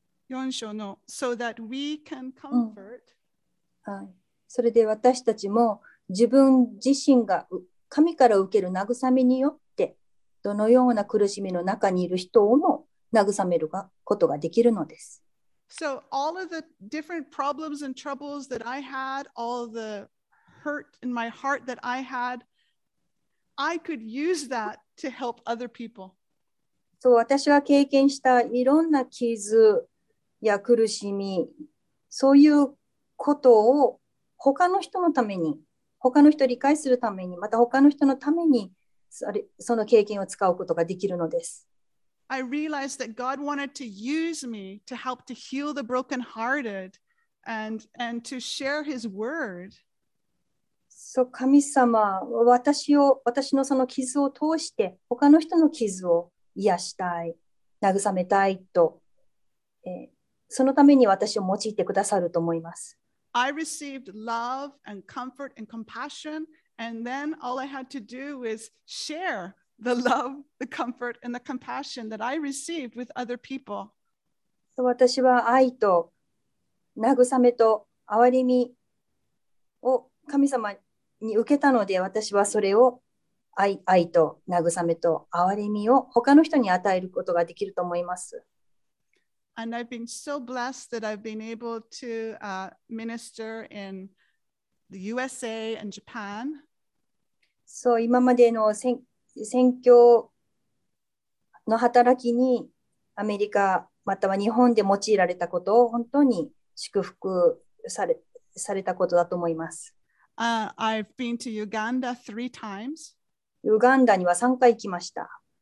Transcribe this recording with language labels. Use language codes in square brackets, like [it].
[ja] 4章の、 [en] so that we can comfort.、うん、 [ja] はい。それで私たちも自分自身が神から受ける慰めによってどのような苦しみの中にいる人をも慰めることができるのです。 [en] So all of the different problems and troubles that I had, all the hurt in my heart that I had, I could use that to help other people. [ja] そう、私が経験したいろんな傷や苦しみ、そういうことを他の人のために、他の人を理解するために、また他の人のためにその経験を使うことができるのです。 [en] I realized that God wanted to use me to help to heal the brokenhearted and to share His word. [ja] そう、神様、私のその傷を通して、他の人の傷を癒したい、慰めたいと、そのために私を用いてくださると思います。 [en] I received love and comfort and compassion, and then all I had to do was share the love, the comfort, and the compassion that I received with other people. [ja] So, 私は愛と慰めと憐れみを神様に受けたので、私はそれを愛と慰めと憐れみを他の人に与えることができると思います。 [en] And I've been so blessed that I've been able to minister in the USA and Japan. [ja] そう、今までの宣教の働きにアメリカまたは日本で用いられたことを本当に祝福されたことだと思います。 [en] I've been to Uganda 3 times. [ja] ウガンダには3回行きました。